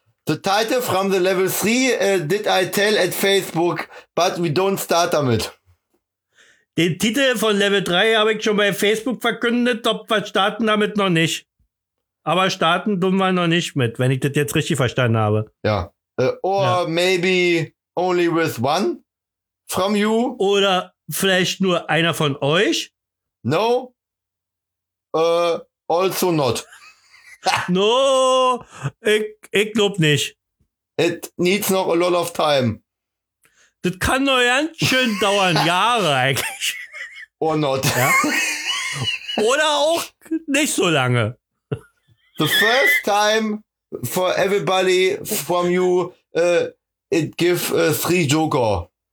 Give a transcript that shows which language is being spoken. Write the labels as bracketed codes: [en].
[en] The title from the level 3 did I tell at Facebook, but we don't start damit. [de] Den Titel von Level 3 habe ich schon bei Facebook verkündet, ob wir starten damit noch nicht. Aber starten tun wir noch nicht mit, wenn ich das jetzt richtig verstanden habe. [en] Ja. Maybe only with one from you. [de] Oder vielleicht nur einer von euch. [en] No. Also not. [de] No, ich glaube nicht. [en] It needs noch a lot of time. [de] Das kann nur ganz schön dauern, Jahre eigentlich. [en] Or not. [de] Ja? Oder auch nicht so lange. [en] The first time for everybody from you, it give three Joker.